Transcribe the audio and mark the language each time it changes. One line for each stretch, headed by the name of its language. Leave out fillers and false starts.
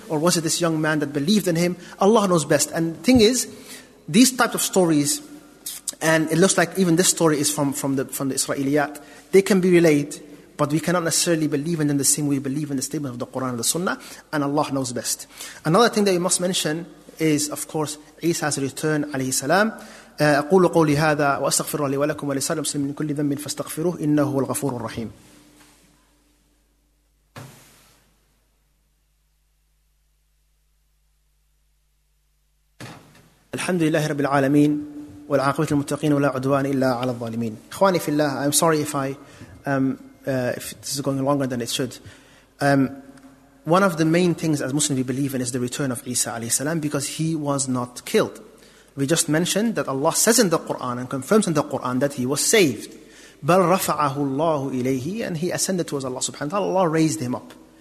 English: Or was it this young man that believed in him? Allah knows best. And the thing is, these types of stories, and it looks like even this story is from the Israeliyat, they can be relayed, but we cannot necessarily believe in them the same way we believe in the statement of the Quran and the Sunnah, and Allah knows best. Another thing that we must mention is, of course, Isa's return, alayhi salam.
Arabic: أقول قولي هذا وأستغفر لي ولكم ولسائر المسلمين من كل ذنب فاستغفروه إنه هو الغفور الرحيم. الحمد لله رب العالمين والعاقبة للمتقين ولا عدوان إلا على الظالمين. إخواني في الله,
English: I'm sorry if I if this is going longer than it should. One of the main things as Muslims we believe in is the return of Isa عليه السلام, because he was not killed. We just mentioned that Allah says in the Quran and confirms in the Quran that he was saved.
Arabic: بَلْ رَفَعَهُ اللَّهُ إِلَيْهِ,
English: and he ascended towards Allah subhanahu wa ta'ala. Allah raised him up.